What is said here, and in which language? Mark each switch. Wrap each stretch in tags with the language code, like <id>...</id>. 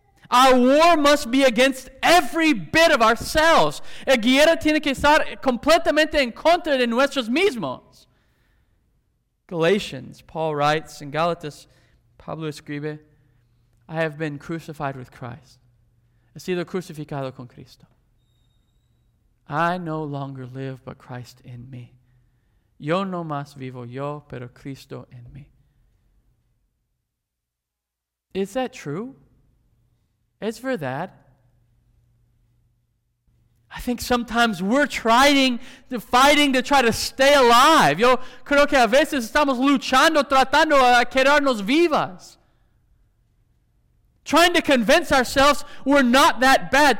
<en>Our war must be against every bit of ourselves.</en> <es>La guerra tiene que estar completamente en contra de nosotros mismos.</es> <en>Galatians, Paul writes, in</en> <es>Galatas, Pablo escribe,</es> <en>I have been crucified with Christ.</en> <es>He sido crucificado con Cristo.</es> <en>I no longer live, but Christ in me.</en> <es>Yo no más vivo yo, pero Cristo en mí.</es> <en>Is that true? It's for that. I think sometimes we're fighting to try to stay alive.</en> <es>Yo creo que a veces estamos luchando, tratando a quedarnos vivas.</es> <en>Trying to convince ourselves we're not that bad.</en>